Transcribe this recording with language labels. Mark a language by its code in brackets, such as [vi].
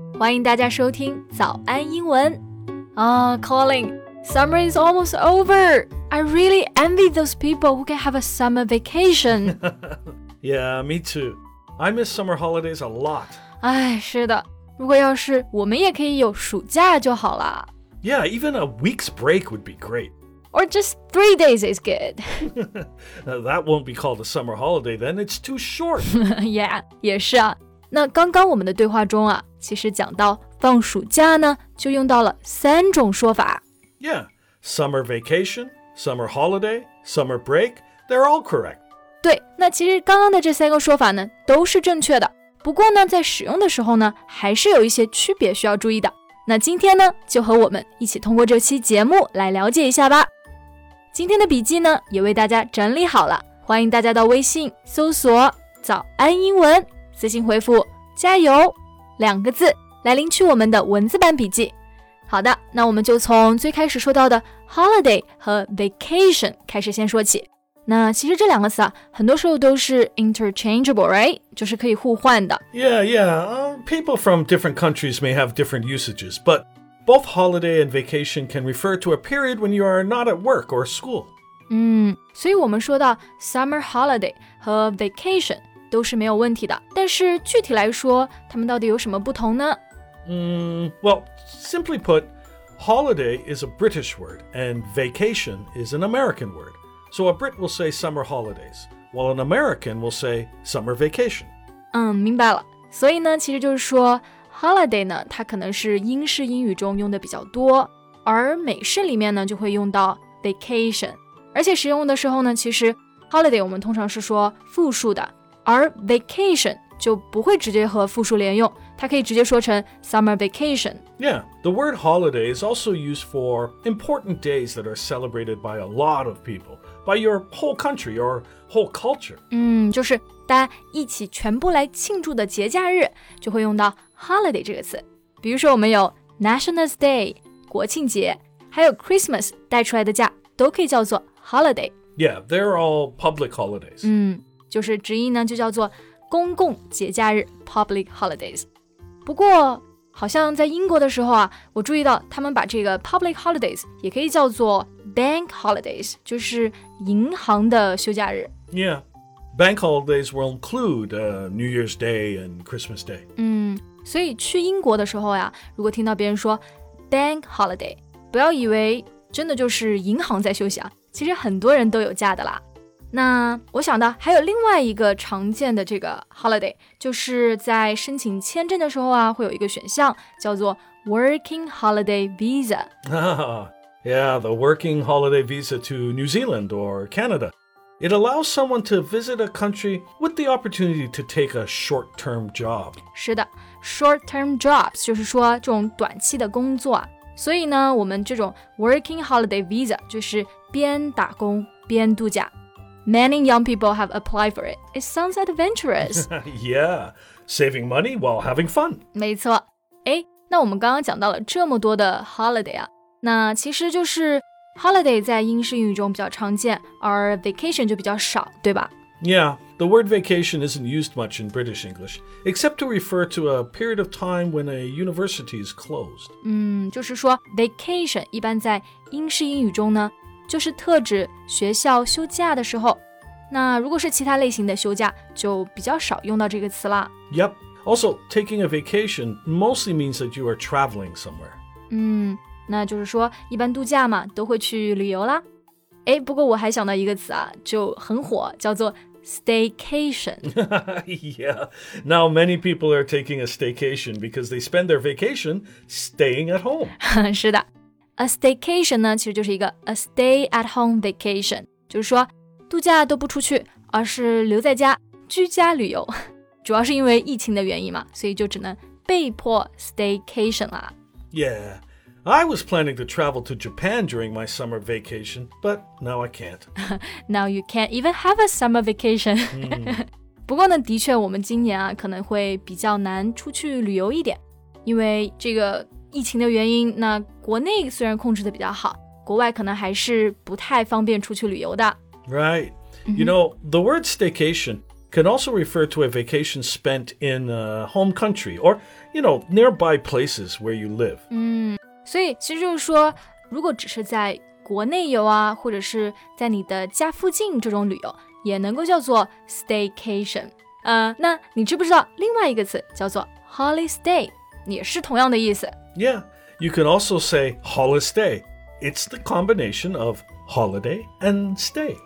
[zh] 欢迎大家收听早安英文。 [en] Colin, summer is almost over. I really envy those people who can have a summer vacation. Yeah, me too. I miss summer holidays a lot. [zh] 哎，是的。如果要是我们也可以有暑假就好了。 [en] Yeah, even a week's break would be great. Or just 3 days is good. That won't be called a summer holiday then, it's too short. Yeah, [zh] 也是啊。那刚刚我们的对话中啊，其实讲到放暑假呢，就用到了三种说法。 [en] Yeah, summer vacation, summer holiday, summer break, they're all correct. [zh] 对，那其实刚刚的这三个说法呢，都是正确的。不过呢，在使用的时候呢，还是有一些区别需要注意的。那今天呢，就和我们一起通过这期节目来了解一下吧。今天的笔记呢，也为大家整理好了，欢迎大家到微信搜索“早安英文”，私信回复“加油”两个字来领取我们的文字版笔记。好的，那我们就从最开始说到的 holiday 和 vacation 开始先说起。那其实这两个词啊，很多时候都是 [en] interchangeable, right? [zh] 就是可以互换的。 [en] Yeah, yeah. People from different countries may have different usages, but both holiday and vacation can refer to a period when you are not at work or school. [zh] 所以我们说到 summer holiday 和 vacation 都是没有问题的。但是具体来说，他们到底有什么不同呢？ [en] Well, simply put, holiday is a British word and vacation is an American word. So a Brit will say summer holidays, while an American will say summer vacation. [zh] 明白了。所以呢，其实就是说 holiday 呢，它可能是英式英语中用的比较多，而美式里面呢就会用到 vacation。而且使用的时候呢，其实 holiday 我们通常是说复数的，而 vacation 就不会直接和复数连用，它可以直接说成 summer vacation。 [en] Yeah, the word holiday is also used for important days that are celebrated by a lot of people. By your whole country or whole culture. [zh] 就是大家一起全部来庆祝的节假日就会用到 holiday 这个词。比如说我们有 National's Day, 国庆节还有 Christmas 带出来的假都可以叫做 holiday. [en] Yeah, they're all public holidays. [zh] 就是直译呢就叫做公共节假日 public holidays. 不过好像在英国的时候啊，我注意到他们把这个 public holidays 也可以叫做 bank holidays, 就是银行的休假日。 [en] Yeah, bank holidays will include New Year's Day and Christmas Day. [zh] 所以去英国的时候啊，如果听到别人说 bank holiday, 不要以为真的就是银行在休息啊，其实很多人都有假的啦。那我想到还有另外一个常见的这个 holiday, 就是在申请签证的时候啊，会有一个选项叫做 working holiday visa. [en] Yeah, the working holiday visa to New Zealand or Canada. It allows someone to visit a country with the opportunity to take a short-term job. [zh] 是的 ,short-term jobs, 就是说这种短期的工作。所以呢我们这种 working holiday visa, 就是边打工边度假。 [en] Many young people have applied for it. It sounds adventurous. Yeah, saving money while having fun. [zh] 没错。哎，那我们刚刚讲到了这么多的 holiday 啊，那其实就是 holiday 在英式英语中比较常见，而 vacation 就比较少，对吧？ [en] Yeah, the word vacation isn't used much in British English, except to refer to a period of time when a university is closed. [zh] 就是说 vacation 一般在英式英语中呢就是特指学校休假的时候，那如果是其他类型的休假，就比较少用到这个词了。 [en] Yep. Also, taking a vacation mostly means that you are traveling somewhere. [zh] 那就是说一般度假嘛，都会去旅游啦。哎，不过我还想到一个词啊，就很火，叫做 staycation. [en] Yeah. Now many people are taking a staycation because they spend their vacation staying at home. [zh] 是的。 A staycation 呢，其实就是一个 [en] a stay at home vacation， [zh] 就是说度假都不出去，而是留在家居家旅游，主要是因为疫情的原因嘛，所以就只能被迫 staycation 啦。 [en] Yeah, I was planning to travel to Japan during my summer vacation, but now I can't. Now you can't even have a summer vacation. [zh] 不过呢，的确我们今年啊可能会比较难出去旅游一点，因为这个。疫情的原因，那国内虽然控制的比较好，国外可能还是不太方便出去旅游的。 [en] Right. You know, the word staycation can also refer to a vacation spent in a home country or, you know, nearby places where you live. [zh] 所以其实就是说如果只是在国内游啊或者是在你的家附近这种旅游也能够叫做 staycation。那你知不知道另外一个词叫做 holiday, 也是同样的意思。 [en] Yeah, you can also say holiday. It's the combination of holiday and stay.